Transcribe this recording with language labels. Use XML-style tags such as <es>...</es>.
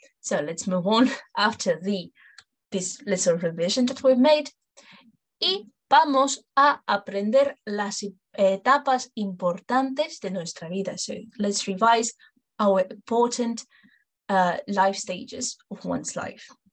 <en>So let's move on after this little revision that we've made.</en> <es>Y vamos a aprender las etapas importantes de nuestra vida.</es> <en>So let's revise our important life stages of one's life.</en>